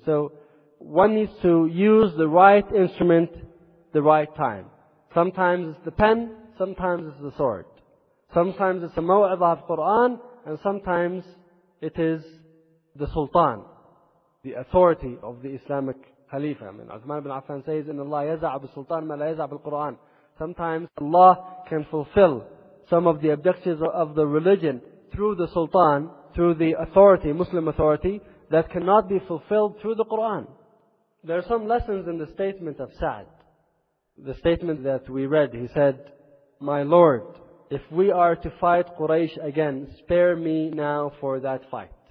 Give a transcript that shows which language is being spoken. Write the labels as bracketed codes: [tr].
[en] So one needs to use the right instrument the right time. Sometimes it's the pen, sometimes it's the sword. Sometimes it's the maw'idah of Quran, and sometimes it is the sultan. the authority of the Islamic Khalifa. I mean, Uthman ibn Affan says, [ar] إن الله يزع بالسلطان ما لا يزع بالقرآن. [en] Sometimes Allah can fulfill some of the objectives of the religion through the Sultan, through the authority, Muslim authority, that cannot be fulfilled through the Quran. There are some lessons in the statement of Sa'd. The statement that we read, he said, "My Lord, if we are to fight Quraysh again, spare me now for that fight.